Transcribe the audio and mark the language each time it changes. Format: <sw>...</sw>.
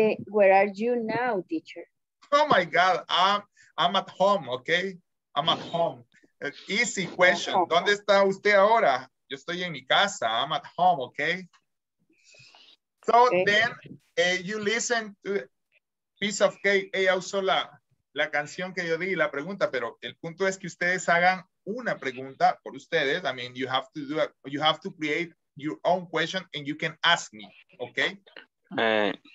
<en>Where are you now, teacher? Oh my god, I'm at home, okay? I'm at home. Easy question.</en> <es>¿Dónde está usted ahora? Yo estoy en mi casa.</es> <en>I'm at home, okay? So then you listen to Piece of Cake.</en> <es>Ella usó la canción que yo di, la pregunta, pero el punto es que ustedes hagan una pregunta por ustedes.</es> <en>I mean, you have to create your own question and you can ask me, okay?</en>